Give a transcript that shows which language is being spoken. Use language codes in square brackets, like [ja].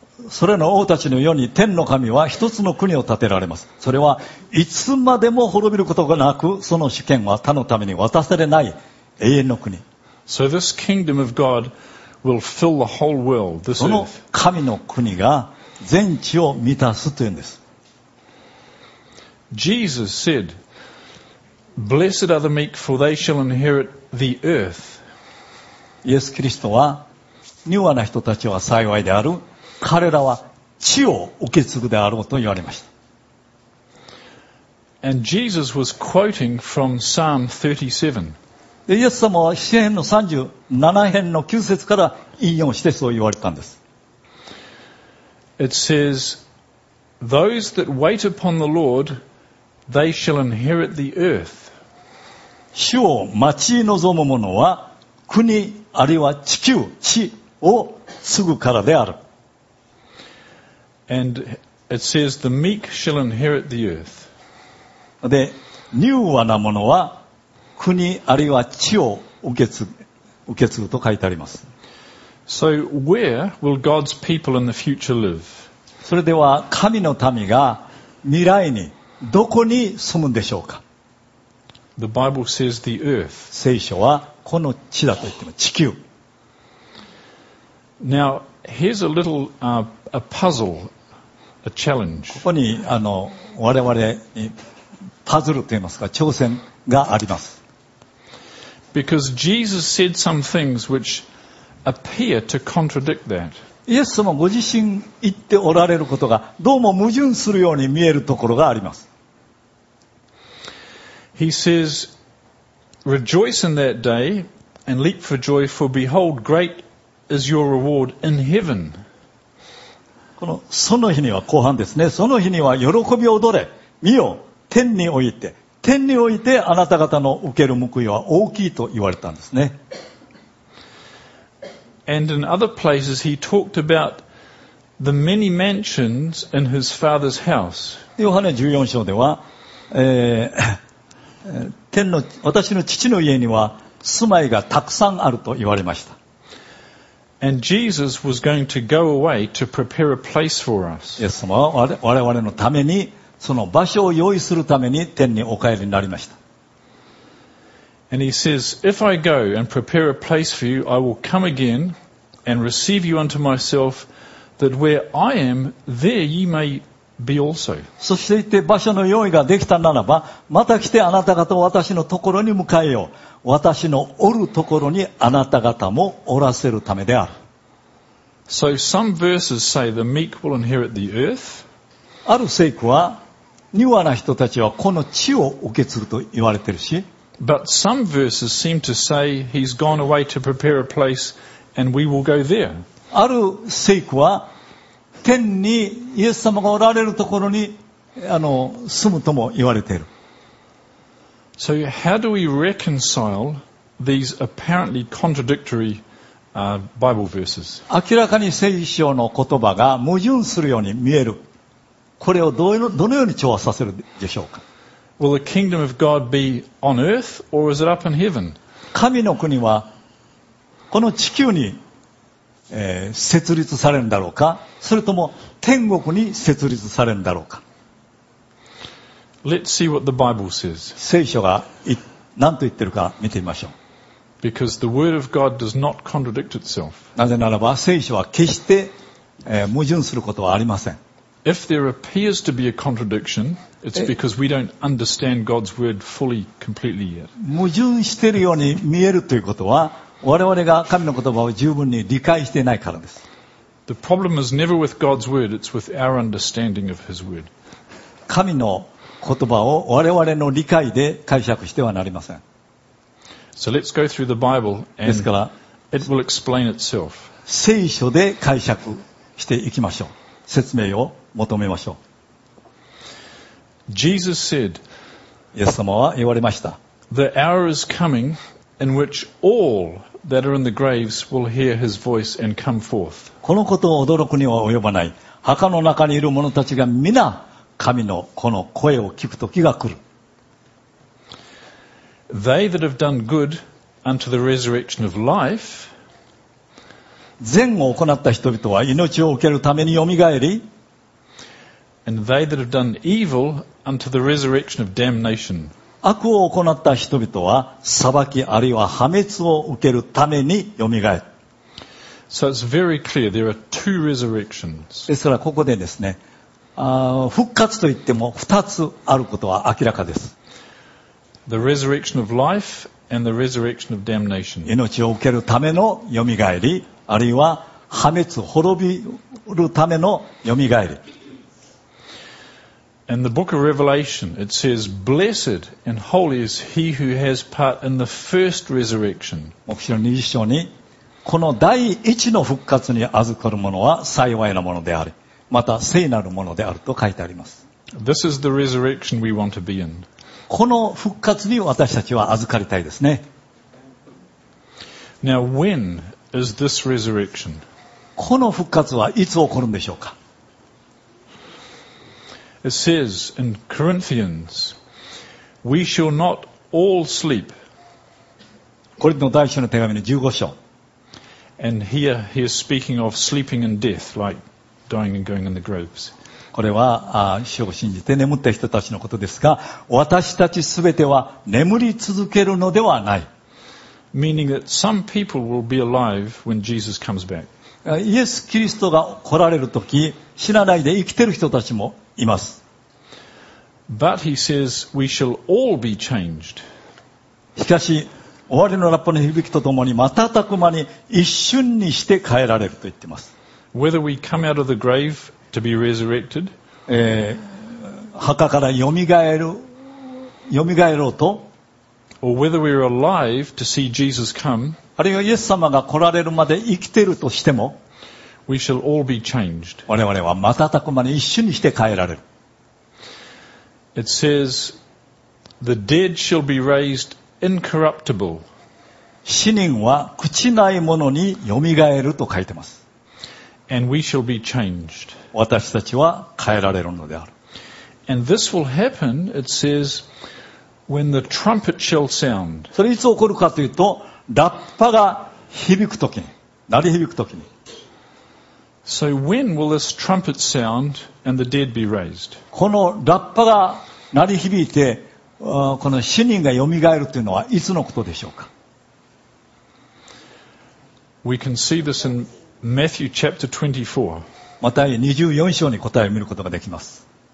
[ja] それの王たちの世に天の神は一つの国を建てられます。それはいつまでも滅びることがなく、その主権は他のために渡されない永遠の国。 [en] So this kingdom of God will fill the whole world, this earth. [ja] その神の国が全地を満たすというんです。 [en] Jesus said, "Blessed are the meek, for they shall inherit the earth." [ja] イエス・キリストは、柔和な人たちは幸いである。彼らは地を受け継ぐであろうと言われました。 [en] And Jesus was quoting from Psalm 37. [ja] でイエス様は詩編の37編の9節から引用してそう言われたんです。 [en] It says, "Those that wait upon the Lord, they shall inherit the earth." [ja] 主を待ち望む者は国あるいは地球、地を継ぐからである。 [en] And it says, "The meek shall inherit the earth." [ja] で、柔和な者は国あるいは地を受け継ぐと書いてあります。 [en] So where will God's people in the future live? [ja] それでは神の民が未来にどこに住むんでしょうか。 [en] The Bible says the earth. [ja] 聖書はこの地だと言っています。地球。 [en] Now here's a little a puzzle, a challenge. [ja] ここに我々にパズルと言いますか、挑戦があります。 [en] Because Jesus said some things which appear to contradict that. [ja] イエス様ご自身言っておられることがどうも矛盾するように見えるところがあります。 [en] He says, "Rejoice in that day and leap for joy, for behold, great is your reward in heaven." [ja] このその日には後半ですね。その日には喜び踊れ、見よ天において。天においてあなた方の受ける報いは大きいと言われたんですね。 [en] And in other places he talked about the many mansions in his father's house. [ja] ヨハネ14章では、天の私の父の家には住まいがたくさんあると言われました。 [en] And Jesus was going to go away to prepare a place for us. [ja] イエス様は我々のためにその場所を用意するために天にお帰りになりました。 [en] And he says, "If I go and prepare a place for you, I will come again and receive you unto myself, that where I am, there ye may be also. [ja] そして言って場所の用意ができたならば、また来てあなた方を私のところに迎えよう。私のおるところにあなた方もおらせるためである。 [en] So some verses say the meek will inherit the earth. [ja] ある聖句は、柔和な人たちはこの地を受け継ぐと言われているし、 [en] But some verses seem to say he's gone away to prepare a place and we will go there. [ja] ある聖句は天にイエス様がおられるところに住むとも言われている。 [en] So how do we reconcile these apparently contradictory, Bible verses? [ja] 明らかに聖書の言葉が矛盾するように見える。これをどのように調和させるでしょうか。 [en] Will the kingdom of God be on earth or is it up in heaven? [ja] 神の国はこの地球に設立されるんだろうか、それとも天国に設立されるんだろうか。 [en] Let's see what the Bible says. [ja] 聖書が何と言ってるか見てみましょう。 [en] Because the word of God does not contradict itself. [ja] なぜならば聖書は決して矛盾することはありません。 [en] If there appears to be a contradiction, it's because we don't understand God's word fully, completely yet. [ja] 矛盾しているように見えるということは、我々が神の言葉を十分に理解していないからです。 [en] The problem is never with God's word, it's with our understanding of His word. [ja] 神の言葉を我々の理解で解釈してはなりません。 [en] So let's go through the Bible and it will explain itself. [ja] 聖書で解釈していきましょう。説明を求めましょう。 [en] Jesus said, [ja] イエス様は言われました。 [en] The hour is coming in which all that are in the graves will hear his voice and come forth. [ja] このことを驚くには及ばない。墓の中にいる者たちが皆神のこの声を聞く時が来る。 [en] They that have done good unto the resurrection of life, [ja] 善を行った人々は命を受けるためによみがえり、 [en] And they that have done evil unto the resurrection of damnation. [ja] 悪を行った人々は裁きあるいは破滅を受けるためによみがえる。 [en] So it's very clear there are two resurrections. [ja] ですからここでですね、復活といっても二つあることは明らかです。 [en] The resurrection of life and the resurrection of damnation. [ja] 命を受けるためのよみがえり、あるいは破滅、滅びるためのよみがえり。 [en] In the book of Revelation, it says, "Blessed and holy is he who has part in the first resurrection." [ja] 目次の二章に、この第一の復活に預かる者は幸いなものである、また聖なるものであると書いてあります。 [en] This is the resurrection we want to be in. [ja] この復活に私たちは預かりたいですね。 [en] Now, when is this resurrection? [ja] この復活はいつ起こるんでしょうか。 [en] It says in Corinthians, "We shall not all sleep." [ja] コリント第一書の手紙の15章。 [en] And here he is speaking of sleeping and death, like dying and going in the graves. [ja] これは主を信じて眠った人たちのことですが、私たちすべては眠り続けるのではない。 [en] Meaning that some people will be alive when Jesus comes back. [ja] イエス・キリストが来られるとき、死なないで生きている人たちもいます。 [en] But he says we shall all be changed. [ja] しかし終わりのラッパの響きとともに瞬く間に一瞬にして変えられると言っています。 [en] Whether we come out of the grave to be resurrected, [ja] 墓からよみがえろうと [en] Or whether we are alive to see Jesus come, [ja] あるいはイエス様が来られるまで生きているとしても、 [en] We shall all be changed. [ja] 我々は瞬く間に一瞬にして変えられる。 [en] It says, the dead shall be raised incorruptible. [ja] 死人は朽ちないものによみがえると書いてます。 [en] And we shall be changed. [ja] 私たちは変えられるのである。 [en] And this will happen, it says, when the trumpet shall sound. [ja] それいつ起こるかというと、ラッパが響くときに、鳴り響くときに。 [en] So when will this trumpet sound and the dead be raised? [ja] このラッパが鳴り響いて、この死人が蘇るというのはいつのことでしょうか。 [en] We can see this in Matthew chapter 24. [ja] マタイ24章に答えを見ることができます。